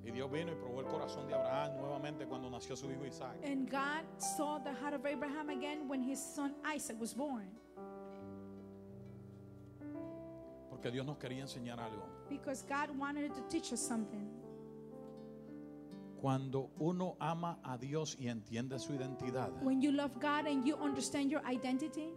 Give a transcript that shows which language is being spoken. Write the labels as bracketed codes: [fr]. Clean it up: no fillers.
[es] Vino y probó el corazón de Abraham nuevamente cuando nació su hijo Isaac. [en] And God saw the heart of Abraham again when his son Isaac was born. [es] Porque Dios nos quería enseñar algo. [en] Because God wanted to teach us something. [es] Cuando uno ama a Dios y entiende su identidad. [en] When you love God and you understand your identity.